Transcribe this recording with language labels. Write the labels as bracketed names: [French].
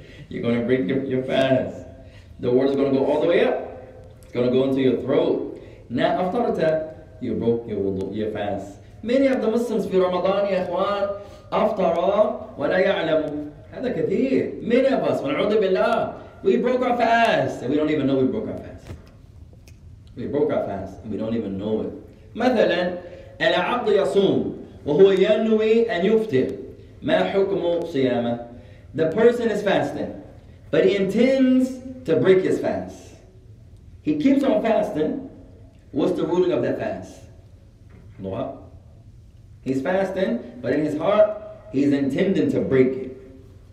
[English] You're going to break your fast. The water's going to go all the way up. It's going to go into your throat. Now, after that, you broke your fast. Many of the Muslims [Arabic] في رمضان يا إخوان أفطروا ولا يعلموا. هذا كثير. [English] Many of us, [Arabic] ونعوذ بالله, [English] we broke our fast and we don't even know we broke our fast. We broke our fast and we don't even know it. [Arabic] مثلا العبد يصوم وهو ينوي أن يفطر. ما حكم صيامه؟ [English] The person is fasting, but he intends to break his fast. He keeps on fasting. What's the ruling of that fast? Dua. He's fasting, but in his heart, he's intending to break it.